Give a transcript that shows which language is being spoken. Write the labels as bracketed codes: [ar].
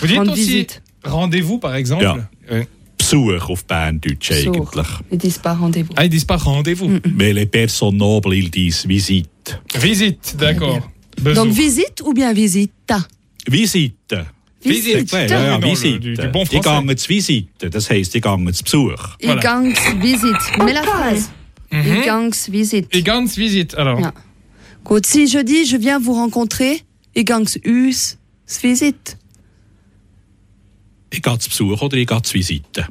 [fr] Vous dites aussi rendez-vous, par exemple. [de] Ja. Besuch auf Berndeutsch, eigentlich. [fr] Ils disent pas rendez-vous. Ah, ils disent pas rendez-vous. Mm-mm. Mais les personnes nobles, ils disent visite. Visite, d'accord. Donc, visite ou bien visita? Visite. Visite. [de] Ja, visite. [fr] Du bon français. [gsw] Ich gange zu visite. Das heisst, ich gange zu Besuch. Ich gange zu visite. [fr] Mais la phrase. [gsw] Ich gange zu visite. Ich gange zu visite, alors. [de] Ja. [fr] Gut, si je dis, je viens vous rencontrer, [gsw] ich gang us, s'visite. Ich gang s'besuch oder ich gang s'visite.